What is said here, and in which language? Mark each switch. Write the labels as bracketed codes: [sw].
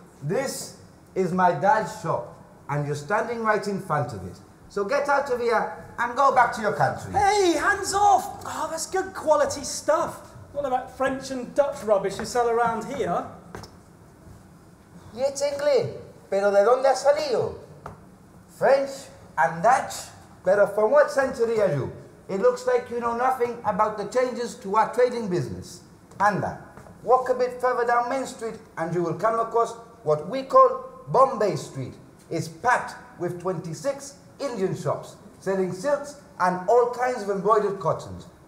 [en] This is my dad's shop, and you're standing right in front of it. So get out of here and go back to your country. Hey, hands off! Oh, that's good quality stuff. What about French and Dutch rubbish you sell around here? [es] Y es inglés, pero ¿de dónde ha salido? [en] French and Dutch, [es] pero [en] from what century are you? It looks like you know nothing about the changes to our trading business. [es] Anda, [en] walk a bit further down Main Street and you will come across what we call Bombay Street. It's packed with 26 Indian shops selling silks and all kinds of embroidered cottons.